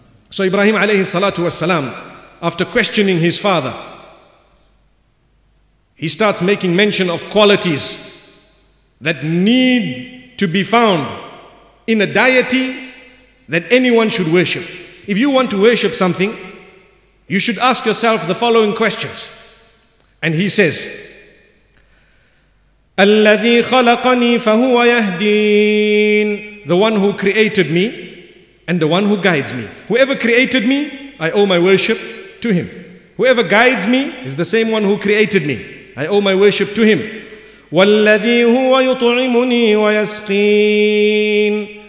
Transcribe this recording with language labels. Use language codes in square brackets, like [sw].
[en] So Ibrahim alayhi salatu wassalam, after questioning his father, he starts making mention of qualities that need to be found in a deity that anyone should worship. If you want to worship something, you should ask yourself the following questions. And he says, [ar] الَّذِي خَلَقَنِي فَهُوَ يَهْدِينَ. [en] The one who created me and the one who guides me. Whoever created me, I owe my worship to him. Whoever guides me is the same one who created me. I owe my worship to him. [ar] وَالَّذِي هُوَ يُطْعِمُنِي وَيَسْقِينَ.